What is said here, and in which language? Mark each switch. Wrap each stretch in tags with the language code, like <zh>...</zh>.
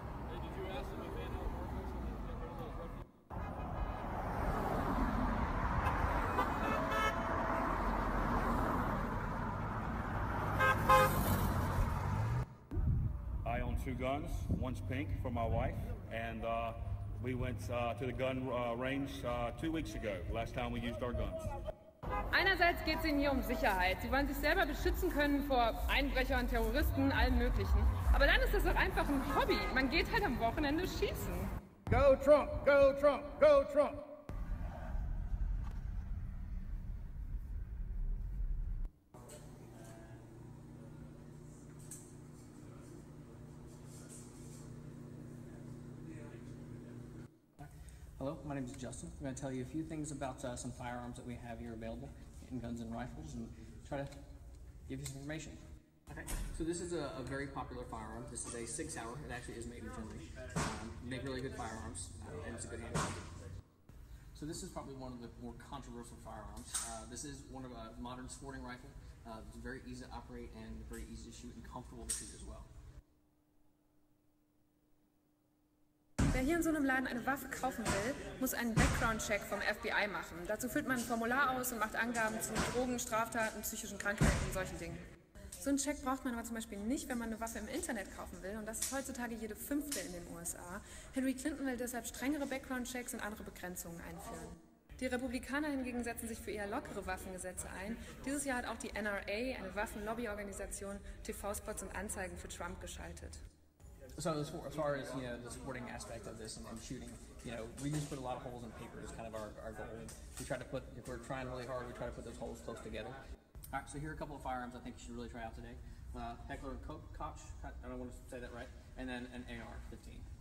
<en>Hey, did you ask them if they know workers and they get rid of those refugees? I own two guns. One's pink for my wife, and We went to the gun range 2 weeks ago, last time we used our guns.</en> <de>Einerseits geht es ihnen hier um Sicherheit. Sie wollen sich selber beschützen können vor Einbrechern, Terroristen, allen möglichen. Aber dann ist das auch einfach ein Hobby. Man geht halt am Wochenende schießen.</de> <en>Go Trump, go Trump, go Trump! Hello, my name is Justin. I'm going to tell you a few things about some firearms that we have here available in guns and rifles and try to give you some information. Okay, so this is a very popular firearm. This is a 6-hour. It actually is made in Finland. Make really good firearms and it's a good handgun. So this is probably one of the more controversial firearms. This is one of a modern sporting rifle. It's very easy to operate and very easy to shoot and comfortable to shoot as well.</en> <de>Wer hier in so einem Laden eine Waffe kaufen will, muss einen Background-Check vom FBI machen. Dazu füllt man ein Formular aus und macht Angaben zu Drogen, Straftaten, psychischen Krankheiten und solchen Dingen. So einen Check braucht man aber zum Beispiel nicht, wenn man eine Waffe im Internet kaufen will. Und das ist heutzutage jede fünfte in den USA. Hillary Clinton will deshalb strengere Background-Checks und andere Begrenzungen einführen. Die Republikaner hingegen setzen sich für eher lockere Waffengesetze ein. Dieses Jahr hat auch die NRA, eine Waffenlobbyorganisation, TV-Spots und Anzeigen für Trump geschaltet.</de> <en>So as far as, you know, the sporting aspect of this and shooting, you know, we just put a lot of holes in paper. It's kind of our goal. We try to put, if we're trying really hard, we try to put those holes close together. All right, so here are a couple of firearms I think you should really try out today. Heckler & Koch, I don't want to say that right, and then an AR-15.</en>